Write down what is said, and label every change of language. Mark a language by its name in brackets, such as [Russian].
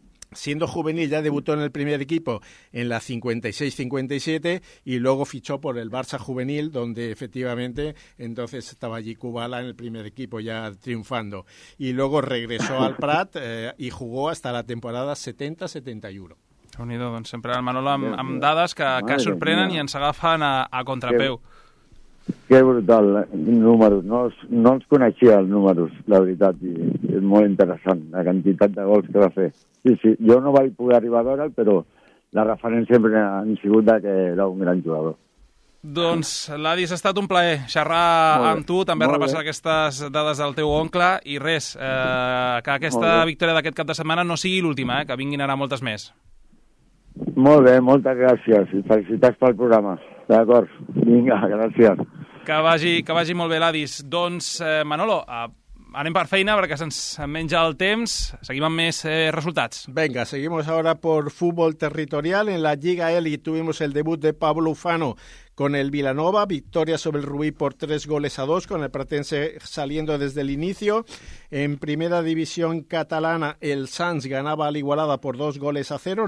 [Spanish] Siendo juvenil ya debutó en el primer equipo en la 56-57 y luego fichó por el Barça Juvenil, donde efectivamente entonces estaba allí Kubala en el primer equipo ya triunfando. Y luego regresó al Prat y jugó hasta la temporada 70-71. [Catalan] Unido, don, sempre el Manolo amb dades que sorprenen i ens agafen a contrapeu. Que brutal, números. No els coneixia, els números, la veritat. I és molt interessant la quantitat de gols que va fer. Sí, sí, jo no vaig poder arribar a veure'l, però la referència sempre ha sigut que era un gran jugador. Doncs, Ladis, ha estat un plaer xerrar amb tu, també repassar aquestes dades del teu oncle, i res, que aquesta victòria d'aquest cap de setmana no sigui l'última, que vinguin ara moltes més. Molt bé, moltes gràcies i felicitats pel programa. D'acord, vinga, gràcies. Que vagi molt bé, l'Adis. Doncs, Manolo, anem per feina perquè se'ns menja el temps. Seguim amb més resultats. [Spanish] Venga, seguimos ahora por fútbol territorial. En la Lliga Elite tuvimos el debut de Pablo Ufano con el Vilanova, victoria sobre el Rubí por 3-2, con el Pratense saliendo desde el inicio. En primera división catalana, el Sanz ganaba a Igualada por 2-0.